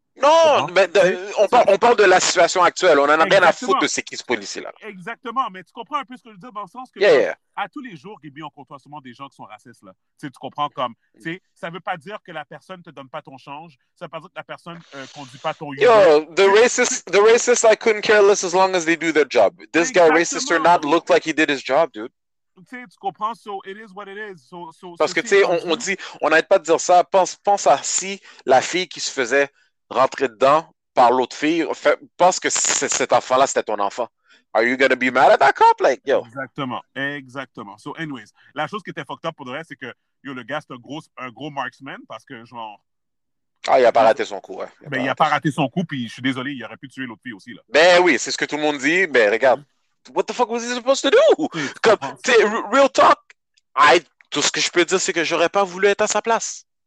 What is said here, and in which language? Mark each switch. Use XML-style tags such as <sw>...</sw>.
<fr>Non, mais on parle de la situation actuelle. On n'en a rien à foutre de ce qui se policie là. Exactement, mais tu comprends un peu ce que je veux dire dans le sens que</fr> <en>yeah.</en> <fr>à tous les jours, Gibby, on côtoie souvent des gens qui sont racistes là. T'sais, tu comprends comme. T'sais, ça ne veut pas dire que la personne ne te donne pas ton change. Ça ne veut pas dire que la personne ne conduit pas ton</fr> <en>Yo, Uber. the racist, I couldn't care less as long as they do their job. This guy, racist or not, looked like he did his job, dude.</en> <fr>T'sais, tu comprends?</fr> <en>So it is what it is. So,</en> <fr>Parce que tu sais, on dit, on n'arrête pas de dire ça. Pense à si la fille qui se faisait rentrer dedans par l'autre fille, pense que cet enfant-là, c'était ton enfant.</fr> <en>Are you gonna be mad at that cop? Like, yo.</en> <fr>Exactement, exactement.</fr> <en>So, anyways,</en> <fr>la chose qui était fucked up pour le reste, c'est que yo, le gars, c'est un gros marksman parce que, genre, Ah, il n'a pas raté son coup, ouais. Mais il n'a pas raté son coup, puis je suis désolé, il aurait pu tuer l'autre fille aussi, là. Ben oui, c'est ce que tout le monde dit. Ben regarde,</fr> <en>what the fuck was he supposed to do?</en> <fr>Comme, tu sais,</fr> <en>real talk,</en> <fr>tout ce que je peux dire, c'est que j'aurais pas voulu être à sa place.</fr>